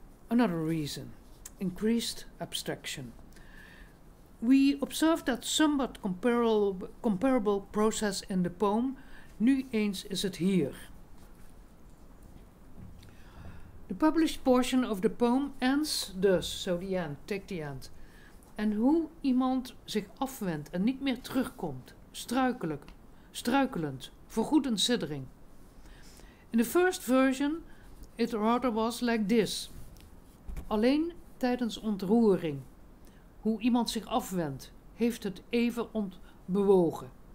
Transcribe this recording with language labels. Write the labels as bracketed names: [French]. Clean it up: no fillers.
[English] Another reason, increased abstraction. We observe that somewhat comparable process in the poem, [Dutch] Nu eens is het hier. [English] The published portion of the poem ends thus, so the end, take the end. [Dutch] En hoe iemand zich afwendt en niet meer terugkomt, struikelend, voorgoed een siddering. [English] In the first version, it rather was like this. [Dutch] Alleen tijdens ontroering, hoe iemand zich afwendt, heeft het even bewogen.